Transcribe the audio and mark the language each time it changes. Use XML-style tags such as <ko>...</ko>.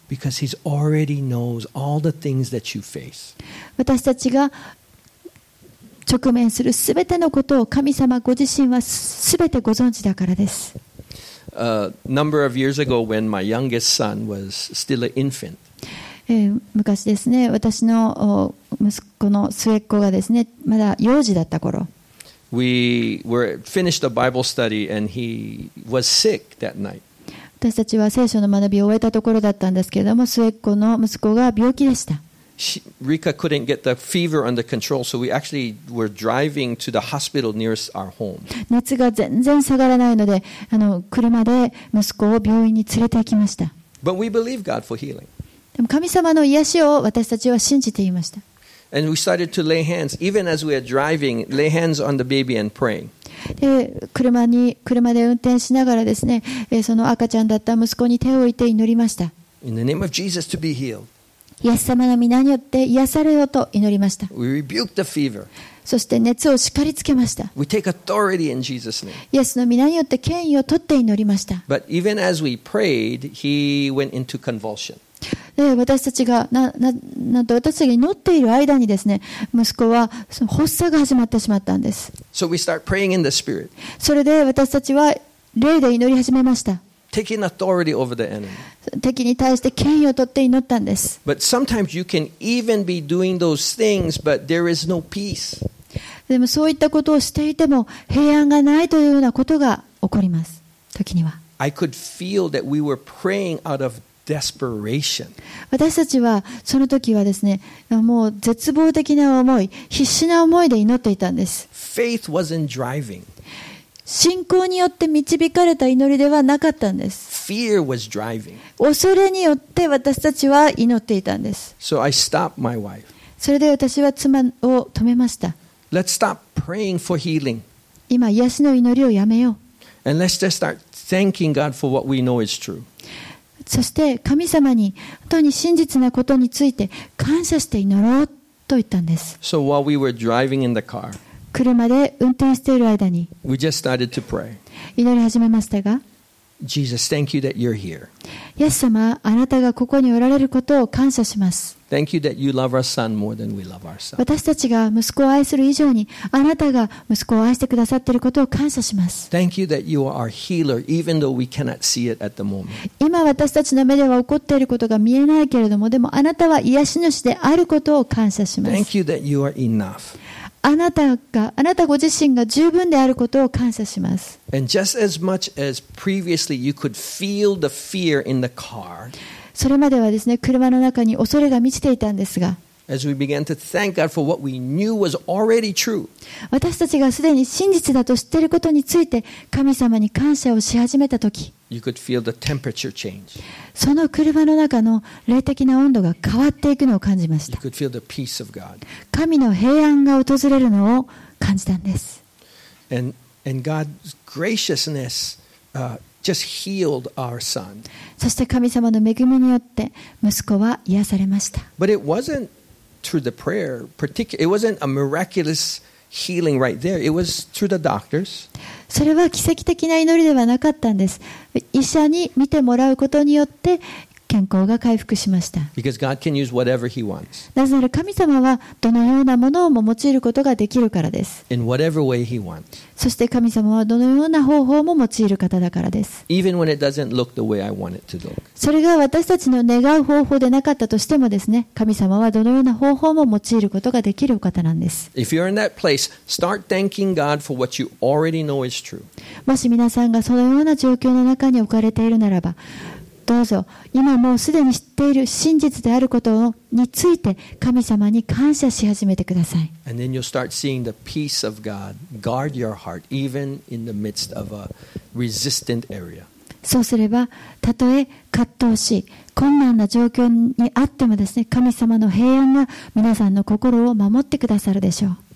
<en>Because he already knows all the things that you face.</en> <ja>私たちが直面するすべてのことを神様ご自身はすべてご存知だからです。</ja> <en>A number of years ago, when my youngest son was still an infant.</en> <ja>昔ですね、私の息子の末っ子がですね、まだ幼児だった頃。</ja> <en>We were finished a Bible study and he was sick that night.</en> <ja>私たちは聖書の学びを終えたところだったんですけれども、末っ子の息子が病気でした。</ja> <en>Rika couldn't get the fever under control, so we actually were driving to the hospital nearest our home.</en> <ja>熱が全然下がらないので、車で息子を病院に連れて行きました。</ja> <en>But we believe God for healing.</en> <ja>でも神様の癒しを私たちは信じていました。</ja> <en>And we started to lay hands, even as we are driving, lay hands on the baby and praying.</en> <ja>で、車で運転しながらですね、その赤ちゃんだった息子に手を置いて祈りました。</ja> <en>In the name of Jesus to be healed.</en> <ja>イエス様の御名によって癒されようと祈りました。</ja> <en>We rebuke the fever.</en> <ja>そして熱を叱りつけました。</ja> <en>We take authority in Jesus' name.</en> <ja>イエスの御名によって権威を取って祈りました。</ja> <en>But even as we prayed, he went into convulsion.</en> <ja>で私たちが なんと私たちが祈っている間にですね、息子はその発作が始まってしまったんです。</ja> <en>So、we start praying in the spirit.</en> <ja>それで私たちは霊で祈り始めました。</ja> <en>Taking authority over the enemy.</en> <ja>敵に対して権威を取って祈ったんです。</ja> <en>But sometimes you can even be doing those things, but there is no peace.</en> <ja>でもそういったことをしていても平安がないというようなことが起こります。時には</ja> <en>I could feel that we were praying out of desperation.</en> <ja>私たちはその時はですね、もう絶望的な思い、必死な思いで祈っていたんです。</ja> <en>Faith wasn't driving.</en> <ja>信仰によって導かれた祈りではなかったんです。</ja> <en>Fear was driving.</en> <ja>恐れによって私たちは祈っていたんです。</ja> <en>So I stopped my wife.</en> <ja>それで私は妻を止めました。</ja> <en>Let's stop praying for healing.</en> <ja>今癒しの祈りをやめよう。</ja> <en>And let's just startThanking God for what we know is true.</en> <ja>そして神様に本当に真実なことについて感謝して祈ろうと言ったんです。</ja> <en>So while we were driving in the car,</en> <ja>車で運転している間に</ja> <en>we just started to pray.</en> <ja>祈り始めましたが</ja> <en>Jesus, thank you that you're here.</en> <ja>イエス様、あなたがここにおられることを感謝します。</ja> <en>Thank you that you love our son more than we love ourselves.</en> <ja>私たちが息子を愛する以上にあなたが息子を愛してくださっていることを感謝します。</ja> <en>Thank you that you are our healer even though we cannot see it at the moment.</en> <ja>今私たちの目では起こっていることが見えないけれども、でもあなたは癒し主であることを感謝します。</ja> <en>Thank you that you are enough.</en> <ja>あなたご自身が十分であることを感謝します。</ja> <en>And just as much as previously you could feel the fear in the car,</en> <ja>それまではですね、車の中に恐れが満ちていたんですが、私たちがすでに真実だと知っていることについて神様に感謝をし始めたとき、</ja> <en>You could feel the temperature change.</en> <ja>その車の中の霊的な温度が変わっていくのを感じました。</ja> <en>You could feel the peace of God.</en> <ja>神の平安が訪れるのを感じたんです。</ja> <en>And God's graciousness, just healed our son.</en> <ja>そして神様の恵みによって息子は癒されました。</ja> <en>But it wasn't through the prayer, particular. It wasn't a miraculous healing right there. It was through the doctors.</en> <ja>それは奇跡的な祈りではなかったんです。医者に見てもらうことによって健康が回復しました。</ja> <en>Because God can use whatever He wants.</en> <ja>なぜなら神様はどのようなものをも用いることができるからです。</ja> <en>In whatever way He wants.</en> <ja>そして神様はどのような方法も用いる方だからです。</ja> <en>Even when it doesn't look the way I want it to look.</en> <ja>それが私たちの願う方法でなかったとしてもですね、神様はどのような方法も用いることができる方なんです。</ja> <en>If you're in that place, start thanking God for what you already know is true.</en> <ja>もし皆さんがそのような状況の中に置かれているならば、どうぞ今もうすでに知っている真実であることについて神様に感謝し始めてください。</ja> <en>And then you'll start seeing the peace of God guard your heart even in the midst of a resistant area.</en> <ja>そうすればたとえ葛藤し困難な状況にあってもですね、神様の平安が皆さんの心を守ってくださるでしょう。</ja>